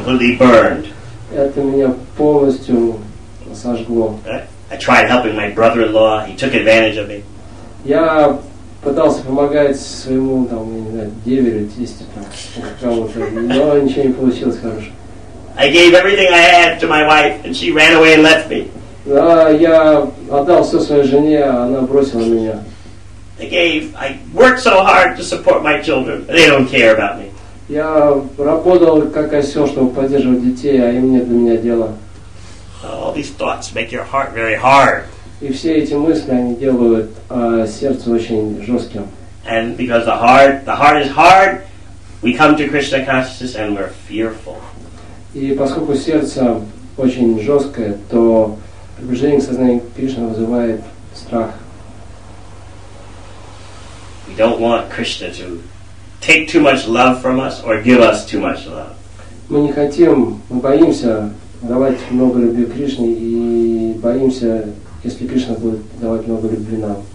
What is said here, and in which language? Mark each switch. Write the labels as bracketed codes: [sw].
[en] Completely burned. [ru] Это меня полностью сожгло. [en] I tried helping my brother-in-law. He took advantage of me. [ru] Я пытался помогать своему, там, я не знаю, деверю, тесте, там, кому-то, но ничего не получилось хорошего. [en] I gave everything I had to my wife, and she ran away and left me. [ru] Да, я отдал все своей жене, а она бросила меня. [en] I gave, I worked so hard to support my children, they don't care about me. [ru] Я работал как осел, чтобы поддерживать детей, а им нет до меня дела. [en] All these thoughts make your heart very hard. [ru] И все эти мысли, они делают сердце очень жестким. [en] And because the heart is hard, we come to Krishna consciousness and we're fearful. [ru] И поскольку сердце очень жесткое, то приближение к сознанию Кришны вызывает страх. [en] We don't want Krishna to take too much love from us or give us too much love. [ru] Мы не хотим, мы боимся давать много любви Кришне и боимся, если Кришна будет давать много любви нам.